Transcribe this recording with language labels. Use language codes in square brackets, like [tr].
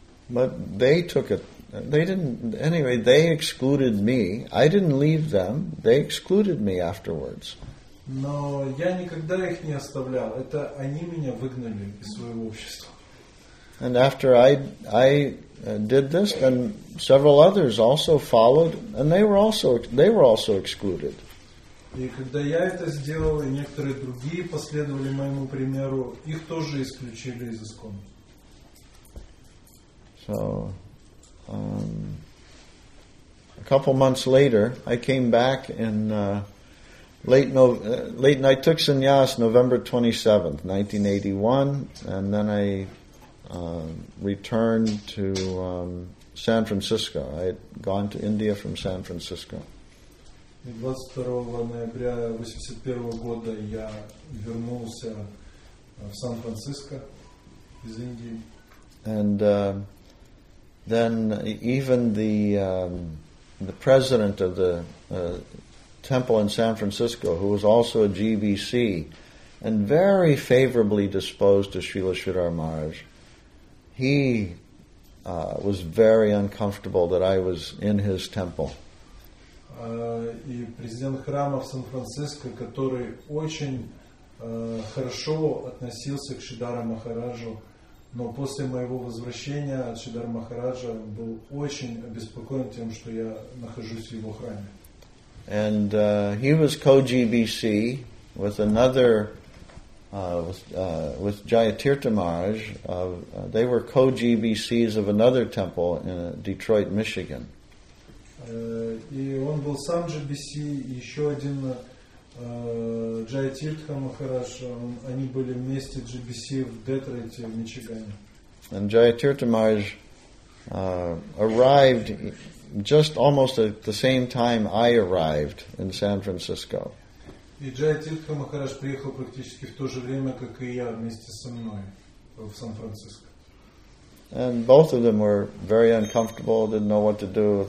[en] But they took it. They didn't. Anyway, they excluded me. I didn't leave them. They excluded me afterwards. [ru] Но я никогда их не оставлял. Это они меня выгнали из своего общества. [en] And after I did this, then several others also followed, and they were also excluded. [ru] И когда я это сделал, и некоторые другие последовали моему примеру, их тоже исключили из ИСККОН. [en] So, a couple months later, I came back in I took sannyas November 27th, 1981, and then I returned to San Francisco. I had gone to India from San Francisco. [ru] 22 ноября 81 года я вернулся в Сан-Франциско из Индии. [en] And then even the president of the temple in San Francisco, who was also a GBC and very favorably disposed to Srila Sridhar Maharaj, he was very uncomfortable that I was in his temple. [ru] И президент храма в Сан-Франциско, который очень хорошо относился к Шридхару Махараджу, но после моего возвращения от Шридхара Махараджа был очень обеспокоен тем, что я нахожусь в его храме. [en] And he was co-GBC with another, with Jayatirtha Maharaj. They were co-GBCs of another temple in Detroit, Michigan. [ru] И он был сам GBC, еще один Jayatirtha Maharaj. Они были вместе GBC в Детройте, в Мичигане. [en] And Jayatirtha Maharaj arrived just almost at the same time I arrived in San Francisco. [ru] И Джайатиртха Махарадж приехал практически в то же время, как и я вместе со мной в Сан-Франциско. [en] And both of them were very uncomfortable, didn't know what to do.